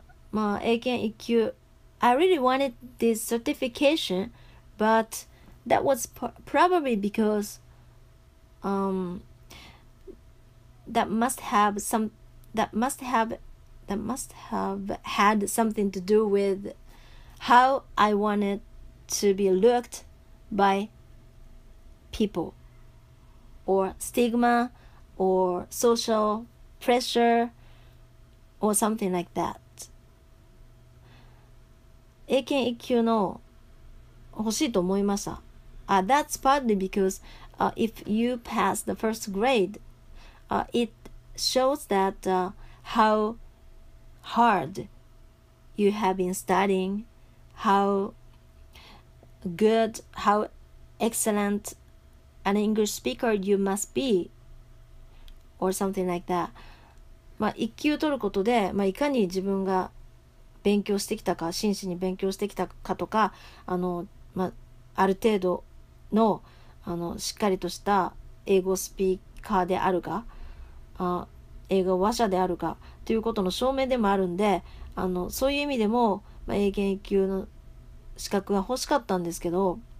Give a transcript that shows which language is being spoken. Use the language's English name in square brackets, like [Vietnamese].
[English] まあ、英検1級 I really wanted this certification, but that was probably because that must have had something to do with how I wanted to be looked by people, or stigma, or social pressure, or something like that. [Japanese] 英検1級の欲しいと思いました。 [English] That's partly because if you pass the first grade, it shows that how hard you have been studying, how good, how excellent an English speaker you must be, or something like that. [Japanese] まあ、1級取ることで、まあ、いかに自分が勉強してきたか、真摯に勉強してきたかとか、まあ、ある程度 の, しっかりとした英語スピーカーであるか、英語話者であるかということの証明でもあるんで、そういう意味でも、まあ、英検1級の資格が欲しかったんですけど、